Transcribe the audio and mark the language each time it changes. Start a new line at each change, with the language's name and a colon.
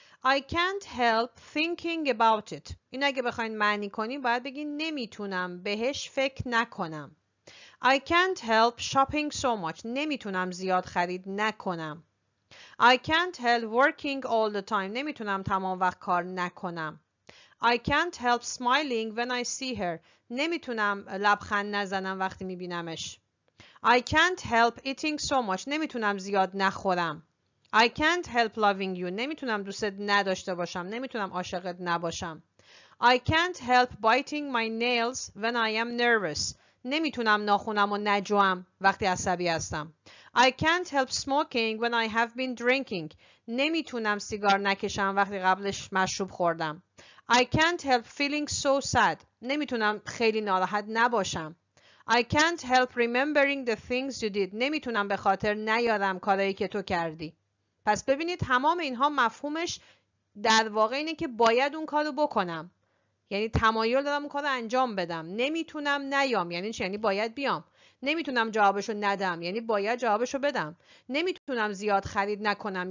English: I can't help thinking about it.
Persian: این اگه بخواید معنی کنیم باید بگین نمیتونم بهش فکر نکنم.
English: I can't help shopping so much.
Persian: نمیتونم زیاد خرید نکنم.
English: I can't help working all the time.
Persian: نمیتونم تمام وقت کار نکنم.
English: I can't help smiling when I see her.
Persian: نمیتونم لبخند نزنم وقتی میبینمش.
English: I can't help eating so much.
Persian: نمیتونم زیاد نخورم.
English: I can't help loving you.
Persian: نمیتونم دوستت نداشته باشم. نمیتونم عاشقت نباشم.
English: I can't help biting my nails when I am nervous.
Persian: نمیتونم ناخونم و نجوام وقتی عصبی هستم.
English: I can't help smoking when I have been drinking.
Persian: نمیتونم سیگار نکشم وقتی قبلش مشروب خوردم.
English: I can't help feeling so sad.
Persian: نمیتونم خیلی ناراحت نباشم.
English: I can't help remembering the things you did.
Persian: نمیتونم به خاطر نیارم کارایی که تو کردی. پس ببینید تمام اینها مفهومش در واقع اینه که باید اون کارو بکنم. یعنی تمایل دارم اون کارو انجام بدم. نمیتونم نیام. یعنی چی؟ یعنی باید بیام. نمیتونم جوابشو ندم. یعنی باید جوابشو بدم. نمیتونم زیاد خرید نکنم.